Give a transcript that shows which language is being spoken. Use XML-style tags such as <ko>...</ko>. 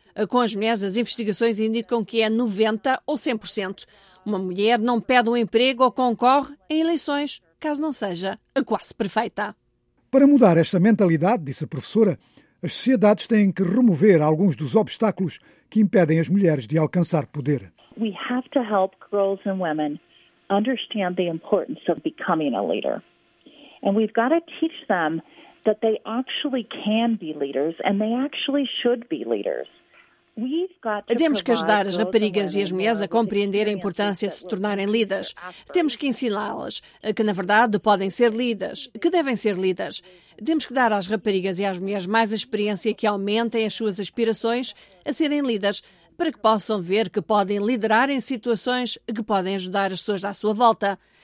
<pt>Com as mulheres, as investigações indicam que é 90% ou 100%. Uma mulher não pede um emprego ou concorre em eleições, caso não seja a quase perfeita. Para mudar esta mentalidade, disse a professora, as sociedades têm que remover alguns dos obstáculos que impedem as mulheres de alcançar poder.</pt> <en>We have to help girls and women understand the importance of becoming a leader. And we've got to teach them that they actually can be leaders and they actually should be leaders.</en> <pt>Temos que ajudar as raparigas e as mulheres a compreender a importância de se tornarem líderes. Temos que ensiná-las que, na verdade, podem ser líderes, que devem ser líderes. Temos que dar às raparigas e às mulheres mais experiência que aumentem as suas aspirações a serem líderes, para que possam ver que podem liderar em situações que podem ajudar as pessoas à sua volta.</pt>